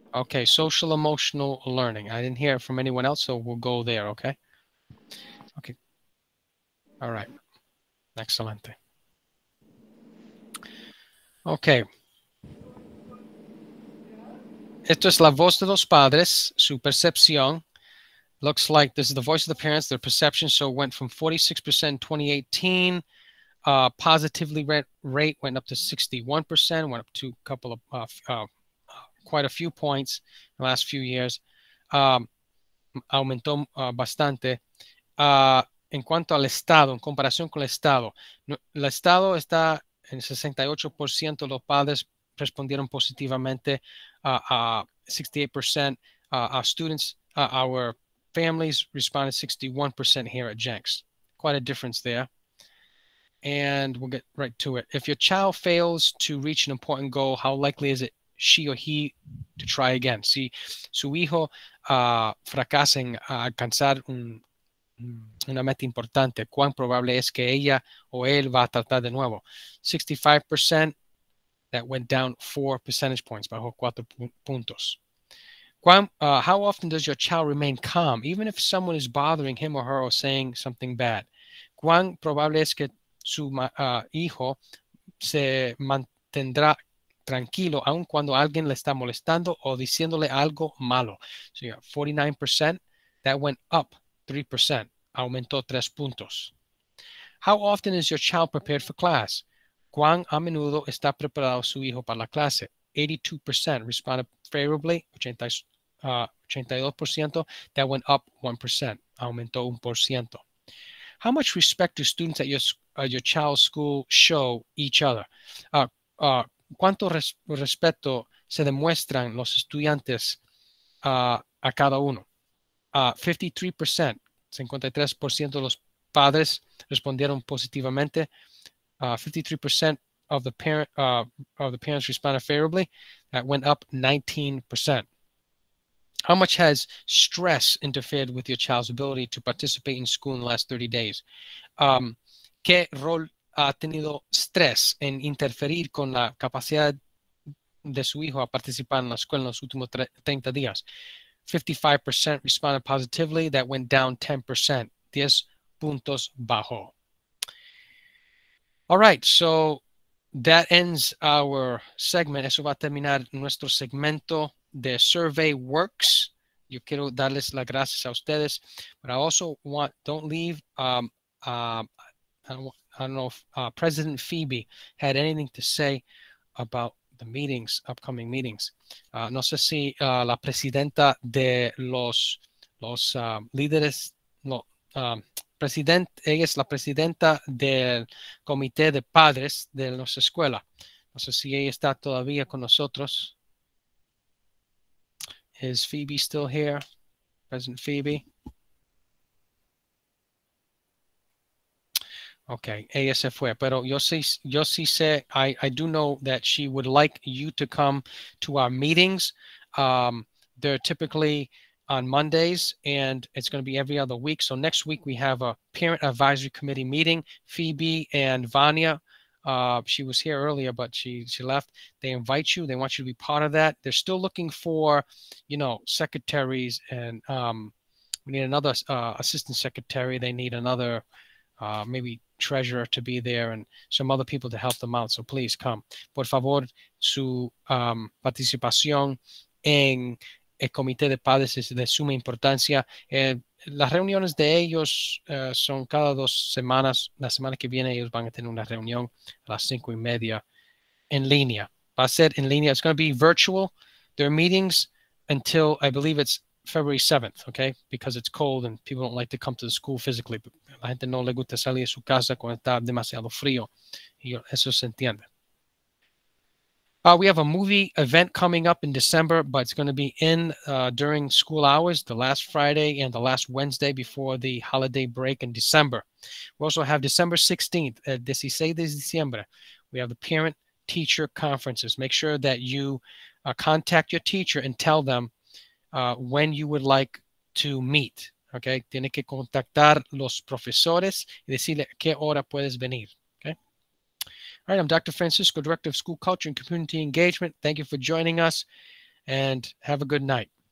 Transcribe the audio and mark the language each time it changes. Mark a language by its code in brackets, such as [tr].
[en] Okay, social emotional learning. I didn't hear it from anyone else, so we'll go there, okay? Okay. All right. [es] Excelente. [en] Okay. [es] Esto es la voz de los padres, su percepción. [en] Looks like this is the voice of the parents, their perception. So it went from 46% in 2018. Positively rate went up to 61%, went up to a couple of quite a few points in the last few years. [es] Aumentó bastante. En cuanto al estado, en comparación con el estado está en 68%, los padres respondieron positivamente, 68%. [en] Our students, our families responded 61% here at Jenks. Quite a difference there. And we'll get right to it. If your child fails to reach an important goal, how likely is it she or he to try again? [es] Si su hijo fracasa en alcanzar una meta importante, ¿cuán probable es que ella o él va a tratar de nuevo? [en] 65%, that went down 4 percentage points, [es] bajo 4 puntos. [en] How often does your child remain calm, even if someone is bothering him or her or saying something bad? [es] ¿Cuán probable es que su hijo se mantendrá tranquilo aun cuando alguien le está molestando o diciéndole algo malo? [en] So you got 49%, that went up 3%, [es] aumentó 3 puntos. [en] How often is your child prepared for class? [es] ¿Cuán a menudo está preparado su hijo para la clase? [en] 82% responded favorably, 82%, that went up 1%, [es] aumentó 1%. [en] How much respect do students at your child's school show each other? [es] ¿Cuánto respeto se demuestran los estudiantes a cada uno? 53%, 53% de los padres respondieron positivamente. [en] 53% of the parents responded favorably. That went up 19%. How much has stress interfered with your child's ability to participate in school in the last 30 days? [es] ¿Qué rol ha tenido estrés en interferir con la capacidad de su hijo a participar en la escuela en los últimos 30 días? [en] 55% responded positively. That went down 10%. [es] 10 puntos bajo. [en] All right, so that ends our segment. [es] Eso va a terminar nuestro segmento de Surveyworks. Yo quiero darles las gracias a ustedes, [en] but I also want, don't leave, I don't know if President Phoebe had anything to say about the meetings, upcoming meetings. [es] No sé si la presidenta de los líderes, no, president, ella es la presidenta del comité de padres de nuestra escuela. No sé si ella está todavía con nosotros. [en] Is Phoebe still here? President Phoebe? Okay, [es] ella se fue, pero yo sí sé, [en] I do know that she would like you to come to our meetings. They're typically on Mondays, and it's going to be every other week. So next week we have a parent advisory committee meeting. Phoebe and Vanya, she was here earlier, but she left. They invite you. They want you to be part of that. They're still looking for, you know, secretaries, and we need another assistant secretary. They need another maybe treasurer to be there, and some other people to help them out. So please come. [es] Por favor, su participación en el comité de padres es de suma importancia. Las reuniones de ellos son cada dos semanas. La semana que viene ellos van a tener una reunión a las 5:30 en línea. Va a ser en línea. [en] It's going to be virtual. Their meetings until, I believe it's February 7th, okay? Because it's cold and people don't like to come to the school physically. [es] La gente no le gusta salir de su casa cuando está demasiado frío. Y eso se entiende. [en] We have a movie event coming up in December, but it's going to be in during school hours, the last Friday and the last Wednesday before the holiday break in December. We also have December 16th, [es] 16 de diciembre. [en] We have the parent-teacher conferences. Make sure that you contact your teacher and tell them when you would like to meet, okay? [es] Tiene que contactar los profesores y decirle qué hora puedes venir. [en] All right, I'm Dr. Francisco, Director of School Culture and Community Engagement. Thank you for joining us, and have a good night.